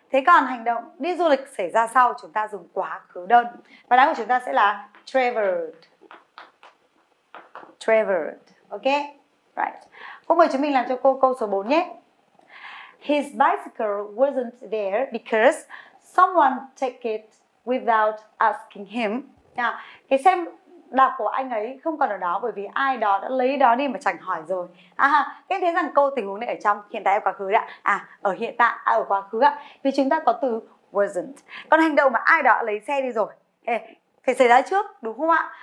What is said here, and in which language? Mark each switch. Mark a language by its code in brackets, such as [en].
[vi] Thế còn hành động đi du lịch xảy ra sau, chúng ta dùng quá khứ đơn. Và đáp của chúng ta sẽ là traveled. Traveled. Ok? Right. Cô mời chúng mình làm cho cô câu số 4 nhé. [en] His bicycle wasn't there because someone took it without asking him. [vi] Nào, cái xe đạp của anh ấy không còn ở đó bởi vì ai đó đã lấy đó đi mà chẳng hỏi rồi. Em thấy rằng câu tình huống này ở trong hiện tại hay quá khứ ạ? Ở hiện tại, ở quá khứ ạ? Vì chúng ta có từ wasn't. Còn hành động mà ai đó đã lấy xe đi rồi, phải xảy ra trước, đúng không ạ?